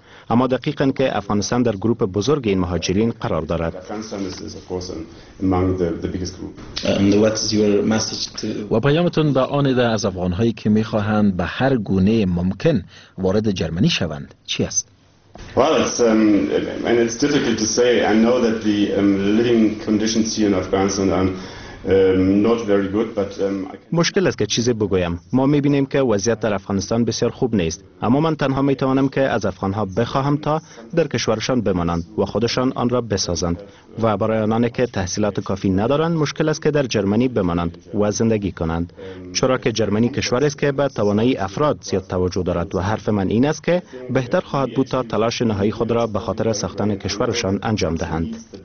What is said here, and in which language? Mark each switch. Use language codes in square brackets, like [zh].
[fa] اما دقیقاً که افغانستان در گروه بزرگ این مهاجرین قرار دارد. و پیامتون به آن ده از افغان هایی که میخواهند به هر گونه ممکن وارد جرمنی شوند چی است؟ [en] Well, it's and it's difficult to say. I know that the living conditions here in Afghanistan are not very good, but [fa] مشکل است که چیزی بگویم. ما می‌بینیم که وضعیت در افغانستان بسیار خوب نیست. اما من تنها می‌توانم که از افغان‌ها بخواهم تا در کشورشان بمانند و خودشان آن را بسازند. و برای آنان که تحصیلات کافی ندارند، مشکل است که در جرمنی بمانند و زندگی کنند. چرا که جرمنی کشوری است که به توانایی افراد زیاد توجه دارد و حرف من این است که بهتر خواهد بود تا تلاش نهایی خود را به خاطر ساختن کشورشان انجام دهند.